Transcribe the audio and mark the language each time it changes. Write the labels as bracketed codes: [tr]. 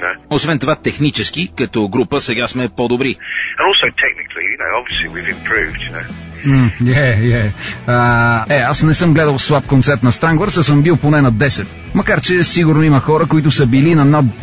[bg] Освен това, технически, като група, сега сме по-добри. [en] And also technically, you know, obviously we've improved, you know. [bg] Аз не съм гледал слаб концерт на Stranglers, а съм бил поне на 10. Макар че сигурно има хора, които са били на над 2000.